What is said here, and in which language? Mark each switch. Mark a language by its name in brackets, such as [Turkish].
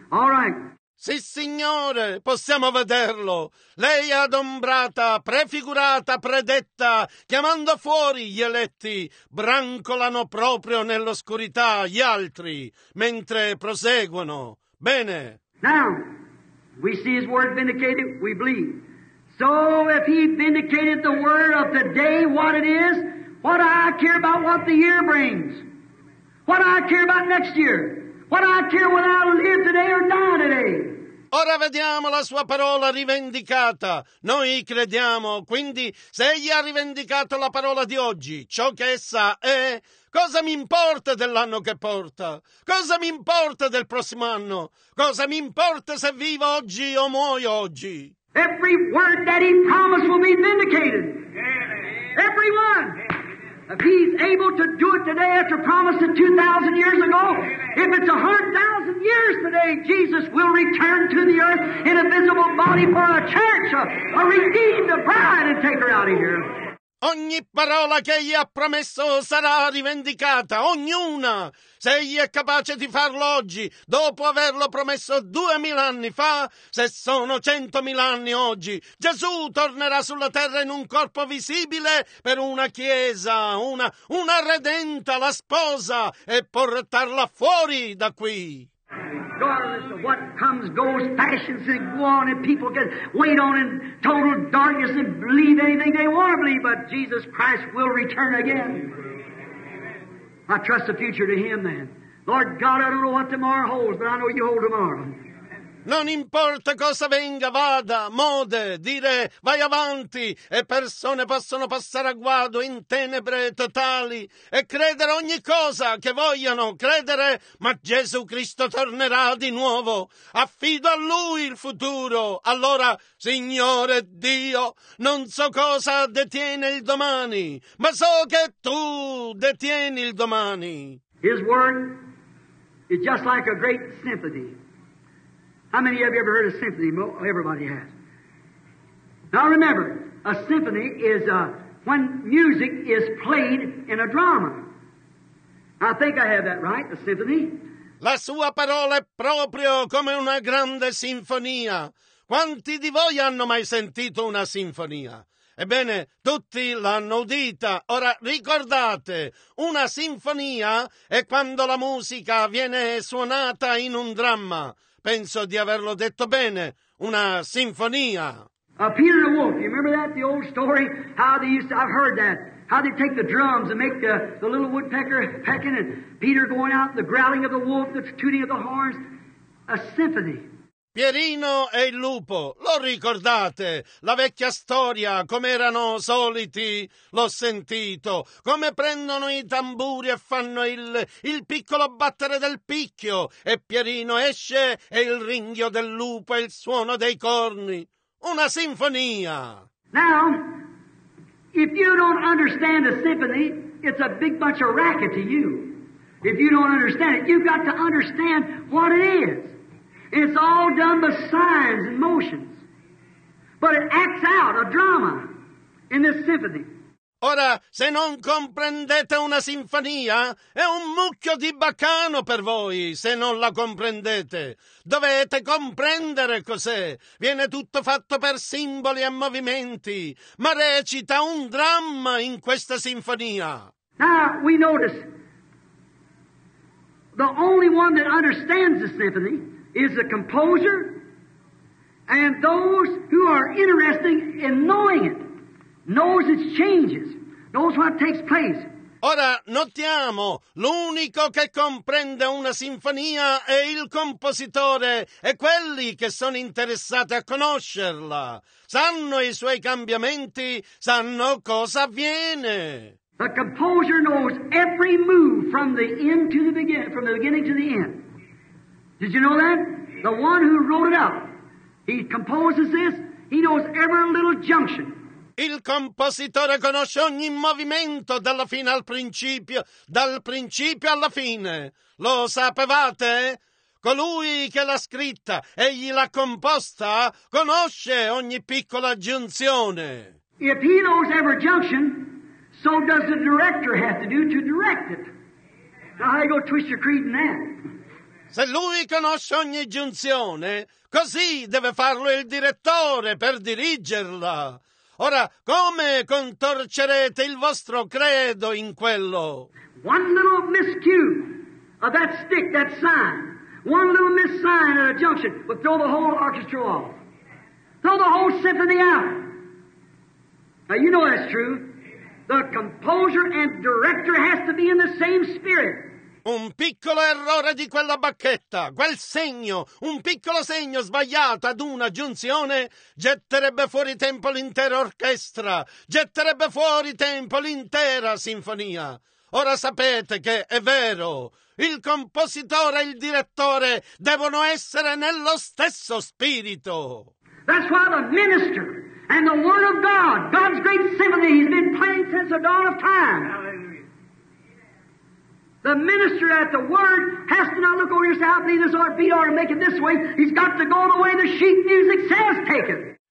[English] All right. [Italian] Sì, Signore, possiamo vederlo. Lei è adombrata, prefigurata, predetta, chiamando fuori gli eletti. Brancolano proprio nell'oscurità gli altri, mentre proseguono. Bene. [English] Now, we see his word vindicated, we believe. So, if he vindicated the word of the day, what it is, what do I care about what the year brings? What do I care about next year? What I care whether I live today or die today? [Italian] Ora vediamo la sua parola rivendicata. Noi crediamo, quindi se egli ha rivendicato la parola di oggi, ciò che essa è, cosa mi importa dell'anno che porta? Cosa mi importa del prossimo anno? Cosa mi importa se vivo oggi o muoio oggi? [English] Every word that he promised will be vindicated. Everyone. If he's able to do it today after promising 2,000 years ago, if it's 100,000 years today, Jesus will return to the earth in a visible body for a church, a redeemed bride, and take her out of here. [Italian] Ogni parola che egli ha promesso sarà rivendicata, ognuna. Se egli è capace di farlo oggi, dopo averlo promesso 2,000 anni fa, se sono 100,000 anni oggi, Gesù tornerà sulla terra in un corpo visibile per una chiesa, una redenta, la sposa, e portarla fuori da qui. [English] Regardless of what comes, goes, fashions that go on, and people can wait on in total darkness and believe anything they want to believe, but Jesus Christ will return again. I trust the future to Him then. Lord God, I don't know what tomorrow holds, but I know you hold tomorrow. [Italian] Non importa cosa venga, vada, mode, dire vai avanti, e persone possono passare a guado in tenebre totali e credere ogni cosa che vogliono credere, ma Gesù Cristo tornerà di nuovo. Affido a Lui il futuro. Allora, Signore Dio, non so cosa detiene il domani, ma so che Tu detieni il domani. [English] His word is just like a great symphony. How many of you ever heard of a symphony? Everybody has. Now remember, a symphony is when music is played in a drama. I think I have that right, a symphony. [Italian] La sua parola è proprio come una grande sinfonia. Quanti di voi hanno mai sentito una sinfonia? Ebbene, tutti l'hanno udita. Ora ricordate, una sinfonia è quando la musica viene suonata in un dramma. Penso di averlo detto bene, una sinfonia. [English] Peter the Wolf, you remember that, the old story? How they used to, I've heard that, how they take the drums and make the little woodpecker pecking, and Peter going out, the growling of the wolf, the tooting of the horns, a symphony. [Italian] Pierino e il lupo, lo ricordate? La vecchia storia, come erano soliti, l'ho sentito. Come prendono i tamburi e fanno il piccolo battere del picchio. E Pierino esce e il ringhio del lupo e il suono dei corni. Una sinfonia! [English] Now, if you don't understand a symphony, it's a big bunch of racket to you. If you don't understand it, you've got to understand what it is. It's all done by signs and motions, but it acts out a drama in this symphony. [Italian] Ora, se non comprendete una sinfonia, è un mucchio di baccano per voi, se non la comprendete. Dovete comprendere cos'è. Viene tutto fatto per simboli e movimenti, ma recita un dramma in questa sinfonia. [English] Now, we notice the only one that understands the symphony is the composer and those who are interested in knowing it, knows its changes, knows what takes place. [Italian] Ora notiamo, l'unico che comprende una sinfonia è il compositore e quelli che sono interessati a conoscerla. Sanno i suoi cambiamenti, sanno cosa avviene. [English] The composer knows every move from the end to the beginning, from the beginning to the end. Did you know that? The one who wrote it up, he composes this, he knows every little junction. [Italian] Il compositore conosce ogni movimento dalla fine al principio, dal principio alla fine. Lo sapevate? Colui che l'ha scritta, egli l'ha composta, conosce ogni piccola giunzione. [English] If he knows every junction, so does the director have to do to direct it. Now I go twist your creed in that. [Italian] Se lui conosce ogni giunzione, così deve farlo il direttore per dirigerla. Ora, come contorcerete il vostro credo in quello? [English] One little miscue of that stick, that sign. One little missign at a junction will throw the whole orchestra off. Throw the whole symphony out. Now, you know that's true. The composer and director has to be in the same spirit. [Italian] Un piccolo errore di quella bacchetta, quel segno, un piccolo segno sbagliato ad una giunzione, getterebbe fuori tempo l'intera orchestra, getterebbe fuori tempo l'intera sinfonia. Ora sapete che è vero, il compositore e il direttore devono essere nello stesso spirito. [English] That's why the minister and the word of God, God's great symphony, has been playing since the dawn of time. The minister at the word has to not look over his side, be this or be or make it this way. He's got to go the way the sheet music says take it.